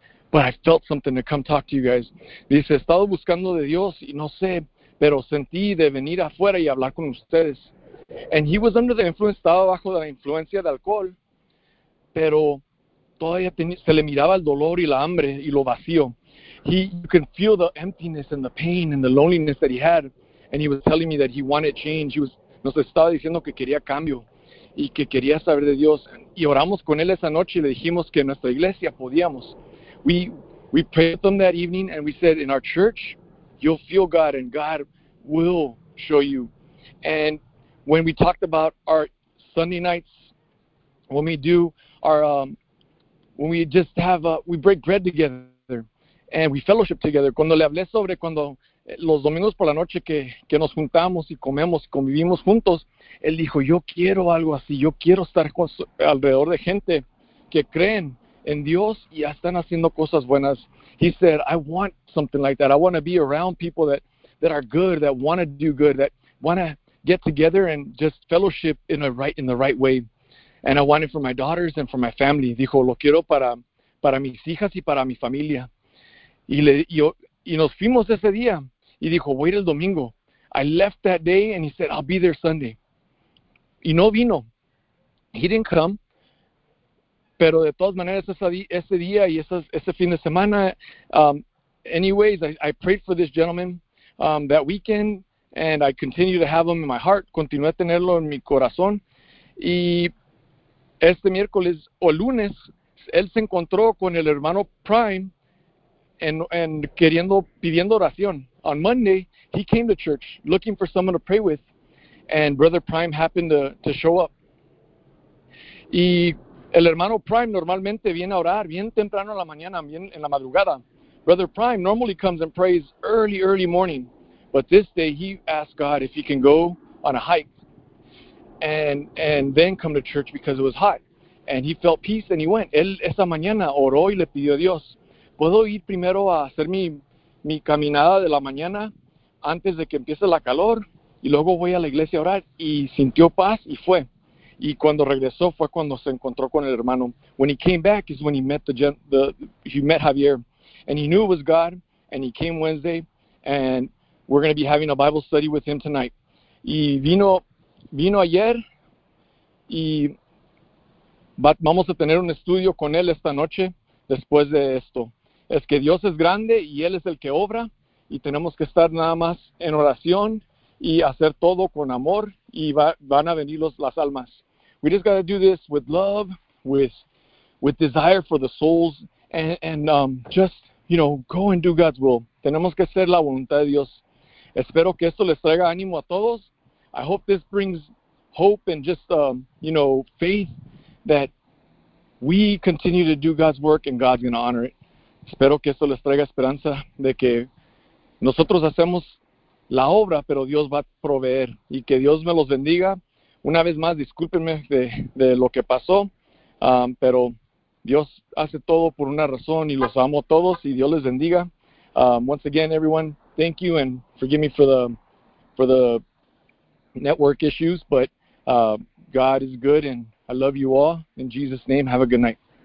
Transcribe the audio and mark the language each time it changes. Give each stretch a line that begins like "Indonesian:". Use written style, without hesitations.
English: But I felt something to come talk to you guys.
Spanish: Dice, estaba buscando de Dios y no sé, pero sentí de venir afuera y hablar con ustedes.
English: And he was under the influence,
Spanish: estaba bajo la influencia de alcohol, pero todavía se le miraba el dolor y la hambre y lo vacío.
English: You can feel the emptiness and the pain and the loneliness that he had. And he was telling me that he wanted change.
Spanish: Nos estaba diciendo que quería cambio y que quería saber de Dios. Y oramos con él esa noche y le dijimos que en nuestra iglesia podíamos.
English: We We prayed with them that evening, and we said, in our church, you'll feel God, and God will show you. And when we talked about our Sunday nights, when we do our, when we just have, we break bread together, and we fellowship together.
Spanish: Cuando le hablé sobre cuando los domingos por la noche que nos juntamos y comemos y convivimos juntos, él dijo, yo quiero algo así, yo quiero estar con, alrededor de gente que creen en Dios y ya están haciendo cosas buenas.
English: He said, I want something like that. I want to be around people that, that are good, that want to do good, that want to get together and just fellowship in a right in the right way. And I want it for my daughters and for my family.
Spanish: Dijo, lo quiero para, para mis hijas y para mi familia. Y, le, yo, y nos fuimos ese día. Y dijo, voy el domingo.
English: I left that day and he said, I'll be there Sunday.
Spanish: Y no vino.
English: He didn't come.
Spanish: Pero de todas maneras, ese día y ese, ese fin de semana,
English: anyways, I prayed for this gentleman that weekend, and I continue to have him in my heart.
Spanish: Continué a tenerlo en mi corazón. Y este miércoles o lunes, él se encontró con el hermano Prime en queriendo, pidiendo oración.
English: On Monday, he came to church looking for someone to pray with, and Brother Prime happened to show up.
Spanish: Y el hermano Prime normalmente viene a orar bien temprano en la mañana, bien en la madrugada.
English: Brother Prime normally comes and prays early, early morning. But this day, he asked God if he can go on a hike and then come to church because it was hot. And he felt peace and he went.
Spanish: Él esa mañana oró y le pidió a Dios, ¿puedo ir primero a hacer mi, mi caminada de la mañana antes de que empiece la calor? Y luego voy a la iglesia a orar. Y sintió paz y fue. Y cuando regresó fue cuando se encontró con el hermano.
English: When he came back is when he met the, the he met Javier, and he knew it was God. And he came Wednesday, and we're going to be having a Bible study with him tonight.
Spanish: Y vino ayer, y vamos a tener un estudio con él esta noche después de esto. Es que Dios es grande y él es el que obra, y tenemos que estar nada más en oración y hacer todo con amor, y van a venir los las almas.
English: We just got to do this with love, with desire for the souls, and just, you know, go and do God's will.
Spanish: Tenemos que hacer la voluntad de Dios. Espero que esto les traiga ánimo a todos.
English: I hope this brings hope and just, you know, faith that we continue to do God's work and God's going to honor it.
Spanish: Espero que esto les traiga esperanza de que nosotros hacemos la obra, pero Dios va a proveer. Y que Dios me los bendiga. Una vez más, discúlpenme de lo que pasó, pero Dios hace todo por una razón y los amo a todos y Dios les bendiga.
English: Once again, everyone, thank you and forgive me for the network issues, but God is good and I love you all. In Jesus' name, have a good night.